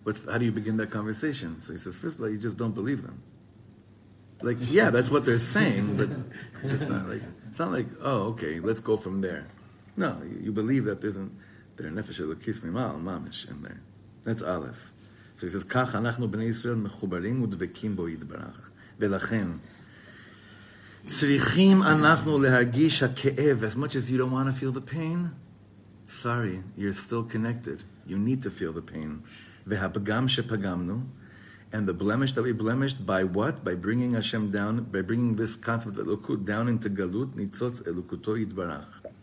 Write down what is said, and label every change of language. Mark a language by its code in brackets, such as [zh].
[en] How do you begin that conversation? So he says, first of all, you just don't believe them. Like, yeah, that's what they're saying, but it's not like, oh, okay, let's go from there. No, you believe that there isn't, there nefesh elokis mimal, mamish, in there. That's Aleph. So he says, [he] kach anachnu b'nei Yisrael mechubarim udvekim bo yidbarach. Ve'lachen, צריכים אנחנו להרגיש הכאב. [en] As much as you don't want to feel the pain, sorry, you're still connected. You need to feel the pain. [he] והפגם שפגמנו, [en] and the blemish that we blemished, by what? By bringing Hashem down, by bringing this concept of elokut down into galut, [he] nitzotz elokuto yidbarach.